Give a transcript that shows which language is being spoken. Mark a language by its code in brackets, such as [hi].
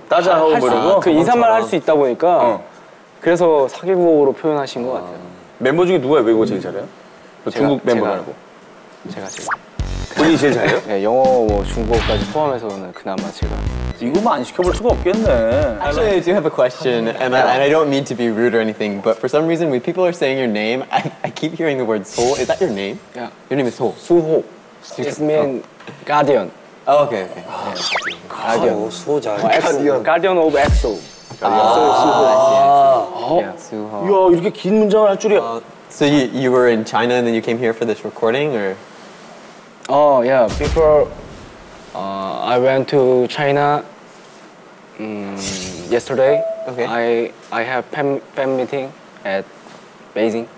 [ko] 따자 하고 그러고 그 인사말 할 수 있다 보니까 그래서 사기국어로 표현하신 것 같아요. 멤버 중에 누가 외국어 제일 잘해요? 중국 멤버 말고 제가 본인이 제일 잘해요? 네, 영어, 뭐 중국어까지 포함해서는 그나마 제가 이거만 안 시켜볼 수가 없겠네. [en] Actually, I do have a question, and I don't mean to be rude or anything, but for some reason, when people are saying your name, I keep hearing the word Seo. Is that your name? Yeah. Your name is Seo. 수호. It's mean guardian. Oh, okay. Yeah. [ko] Guardian. 수호 잘해. [en] Guardian of EXO. [ko] 야 이렇게 긴 문장을 할 줄이야. [en] So you were in China and then you came here for this recording or? Oh yeah, before I went to China yesterday. Okay. I have fan meeting at Beijing.